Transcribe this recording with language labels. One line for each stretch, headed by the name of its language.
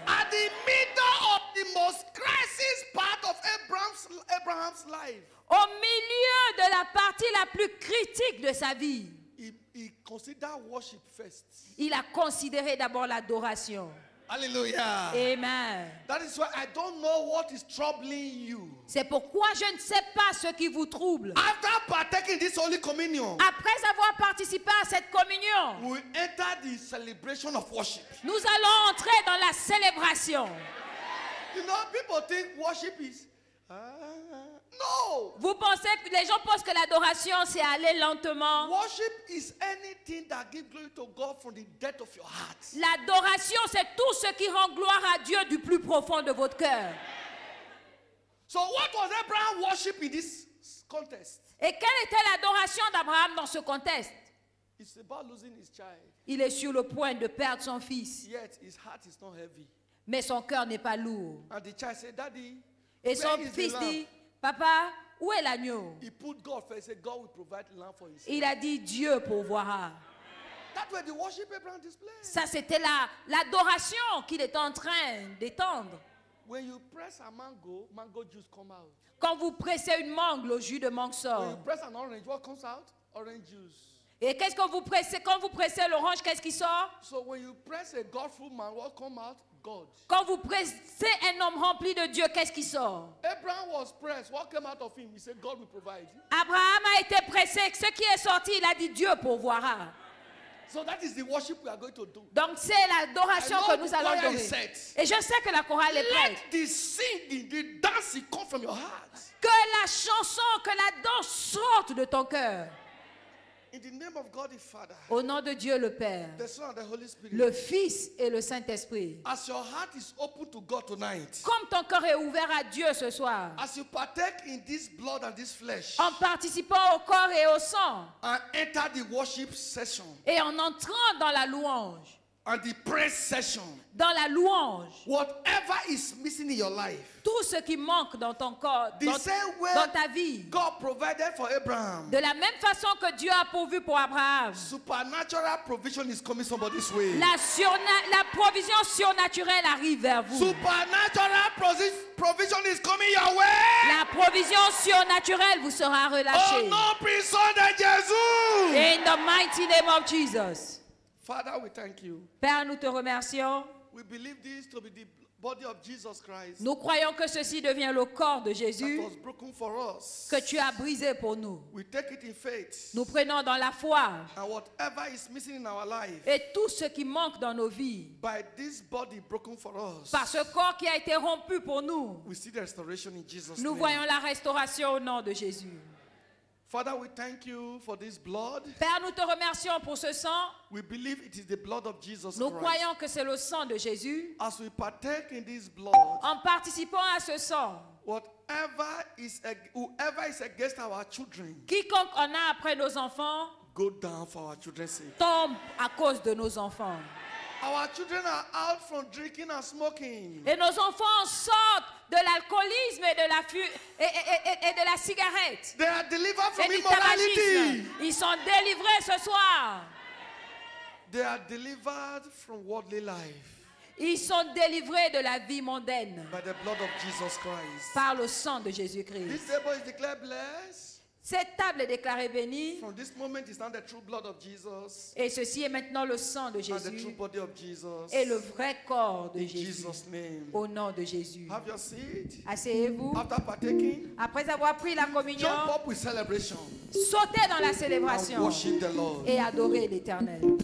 English: At the middle of the most crisis part of Abraham's life,
French: au milieu de la partie la plus critique de sa vie,
English: he considered worship first.
French: Il a considéré d'abord l'adoration.
English: Hallelujah. Amen. That is why I don't know what is troubling you.
French: C'est pourquoi je ne sais pas ce qui vous trouble.
English: After partaking this holy communion,
French: après avoir participé à cette communion,
English: we enter the celebration of worship.
French: Nous allons entrer dans la célébration.
English: You know, people think worship is no.
French: Vous pensez que les gens pensent que l'adoration c'est aller lentement.
English: Worship is anything that gives glory to God from the depth of your heart.
French: L'adoration c'est tout ce qui rend gloire à Dieu du plus profond de votre cœur.
English: So what was Abraham worship in this contest?
French: Et quelle était l'adoration d'Abraham dans ce contest?
English: It's about losing his child.
French: Il est sur le point de perdre son fils.
English: Yet his heart is not heavy.
French: Mais son cœur n'est pas lourd.
English: And the child said, Daddy.
French: Et son fils dit, papa, où est l'agneau?
English: He put God first, said God will provide lamb for his.
French: Il a dit Dieu pourvoira.
English: That was the worship Abraham displayed.
French: Ça c'était l'adoration qu'il est en train d'étendre.
English: When you press a mango, mango juice come out.
French: Quand vous pressez une mangue, le jus de mangue sort.
English: When you press an orange, what comes out? Orange juice.
French: Et qu'est-ce que vous pressez? Quand vous pressez l'orange, qu'est-ce qui sort?
English: So when you press a God-filled man, what comes out? God.
French: Quand vous pressez un homme rempli de Dieu, qu'est-ce qui sort?
English: Abraham was pressed. What came out of him? He said, God will provide.
French: Abraham a été pressé. Ce qui est sorti, il a dit Dieu pourvoira.
English: So that is the worship we are going to do.
French: Donc c'est l'adoration que nous allons donner. Et je sais que la chorale est prête.
English: Let the singing, the dancing come from your heart.
French: Que la chanson, que la danse sorte de ton cœur.
English: In the name of God the Father,
French: au nom de Dieu le Père,
English: the Son and the Holy Spirit,
French: le Fils et le Saint-Esprit,
English: as your heart is open to God tonight,
French: comme ton cœur est ouvert à Dieu ce soir,
English: as you partake in this blood and this flesh,
French: en participant au corps et au sang,
English: and enter the worship session,
French: et en entrant dans la louange,
English: and the praise session,
French: dans la louange,
English: whatever is missing in your life,
French: tout ce qui manque dans ton corps, dans ta vie,
English: God provided for Abraham,
French: de la même façon que Dieu a pourvu pour Abraham,
English: supernatural provision is coming somebody's way.
French: La provision surnaturelle arrive vers vous.
English: Supernatural provision is coming your way.
French: La provision surnaturelle vous sera relâchée. Au nom puissant de Jésus.
English: In the mighty name of Jesus. Father, we thank you.
French: Père, nous te remercions.
English: We believe this to be the body of Jesus Christ.
French: Nous croyons que ceci devient le corps de Jésus.
English: That was broken for us.
French: Que tu as brisé pour nous.
English: We take it in faith.
French: Nous prenons dans la foi.
English: And whatever is missing in our life.
French: Et tout ce qui manque dans nos vies.
English: By this body broken for us.
French: Par ce corps qui a été rompu pour nous.
English: We see the restoration in Jesus' name.
French: Nous voyons la restauration au nom de Jésus.
English: Father, we thank you for this blood.
French: Père, nous te remercions pour ce sang.
English: We believe it is the blood of Jesus
French: nous
English: Christ.
French: Croyons que c'est le sang de Jésus.
English: As we partake in this blood,
French: en participant à ce sang,
English: Whatever is a, whoever is against our children,
French: quiconque en a après nos enfants,
English: go down for our children's sake.
French: Tombe à cause de nos enfants.
English: Our children are out from drinking and smoking.
French: Et nos enfants sortent de l'alcoolisme et de la et de la cigarette.
English: They are delivered from immorality.
French: Ils sont délivrés ce soir.
English: They are delivered from worldly life.
French: Ils sont délivrés de la vie mondaine.
English: By the blood of Jesus Christ.
French: Par le sang de Jésus-Christ.
English: This table is declared blessed.
French: Cette table est déclarée bénie.
English: From this moment, it's not the true blood of Jesus.
French: Et ceci est maintenant le sang de Jésus.
English: And the true body of Jesus.
French: Et le vrai corps de
English: In
French: Jésus.
English: Jesus name.
French: Au nom de Jésus.
English: Have your seat.
French: Asseyez-vous.
English: After partaking,
French: après avoir pris la communion,
English: jump up with celebration.
French: Sautez dans la célébration.
English: And worship the Lord.
French: Et adorez l'Éternel.